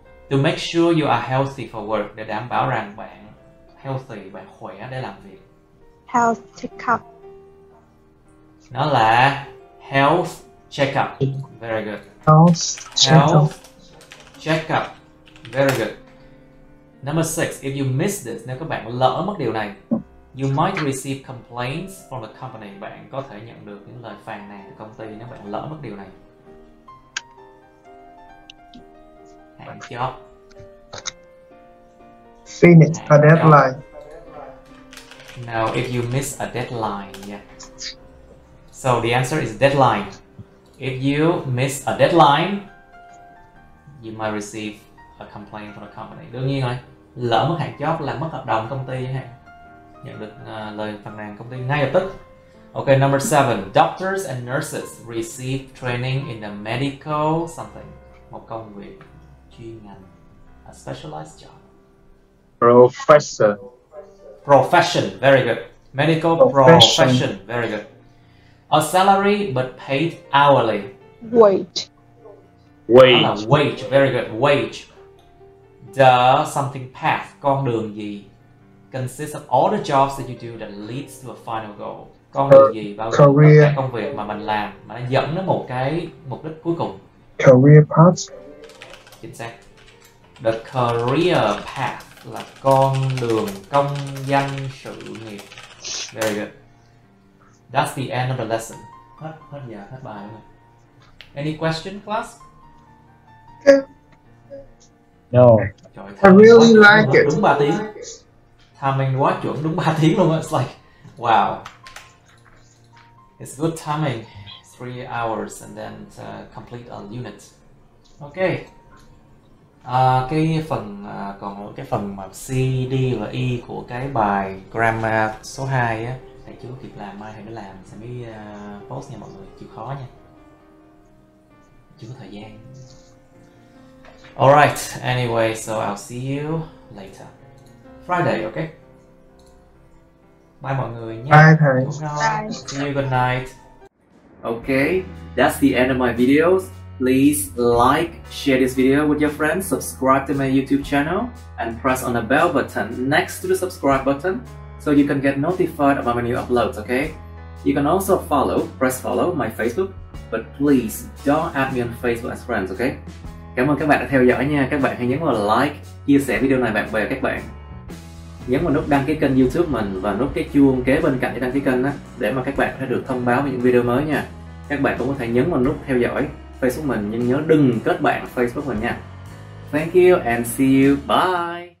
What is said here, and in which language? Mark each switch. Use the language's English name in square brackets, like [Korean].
[English] To make sure you are healthy for work. [Vietnamese] Để đảm bảo rằng bạn healthy, bạn khỏe để làm việc. [English] Health check-up. [Vietnamese] Nó là [English] health check-up. Very good. Health check-up. Check-up. Very good. Number six, if you miss this, [Vietnamese] nếu các bạn lỡ mất điều này, [English] you might receive complaints from the company. [Vietnamese] Bạn có thể nhận được những lời phàn nàn từ công ty nếu bạn lỡ mất điều này. Hạn chót. [English] Finish a deadline. Now, if you miss a deadline, yeah. So the answer is deadline. If you miss a deadline, you might receive a complaint from the company. [Vietnamese] Đương nhiên rồi, lỡ mất hạn chót là mất hợp đồng công ty hả? Nhận được lời phàn nàn công ty ngay lập tức. [English] Okay, number seven. Doctors and nurses receive training in the medical something. [Vietnamese] Một công việc chuyên ngành. [English] A specialized job. Professor. Profession, very good. Medical profession, very good. A salary but paid hourly. Wage. Wage. Wage, very good. Wage. The something path, [Vietnamese] con đường gì, [English] consists of all the jobs that you do that leads to a final goal. [Vietnamese] Con đường gì bao gồm cả công việc mà mình làm mà nó dẫn đến một cái mục đích cuối cùng. [English] Career path. [Vietnamese] Chính xác. The career path là con đường công danh sự nghiệp. [English] Very good. That's the end of the lesson. [Vietnamese] Hết giờ, hết bài rồi. [English] Any question, class? No. [Vietnamese] Trời, [English] I really like it. [Vietnamese] Đúng 3 tiếng. Timing quá chuẩn, đúng 3 tiếng luôn. [English] It's like, wow. It's good timing. 3 hours and then to complete a unit. Okay. [Vietnamese] Cái phần mà C, D và E của cái bài grammar số 2 á, thầy chưa kịp làm, mai thầy mới làm, sẽ mới post nha mọi người, chịu khó nha. Chưa có thời gian. [English] Alright, anyway, so I'll see you later. Friday, okay? [Vietnamese] Bye mọi người nhé. Bye thầy. [English] See you, good night. Okay, that's the end of my videos. Please like, share this video with your friends, subscribe to my YouTube channel, and press on the bell button next to the subscribe button so you can get notified about my new uploads, okay? You can also follow, press follow my Facebook, but please don't add me on Facebook as friends, okay? [Vietnamese] Cảm ơn các bạn đã theo dõi nha. Các bạn hãy nhấn vào like, chia sẻ video này bạn bè các bạn. Nhấn vào nút đăng ký kênh YouTube mình và nút cái chuông kế bên cạnh để đăng ký kênh á, để mà các bạn sẽ được thông báo về những video mới nha. Các bạn cũng có thể nhấn vào nút theo dõi Facebook mình, nhưng nhớ đừng kết bạn Facebook mình nha. [English] Thank you and see you. Bye.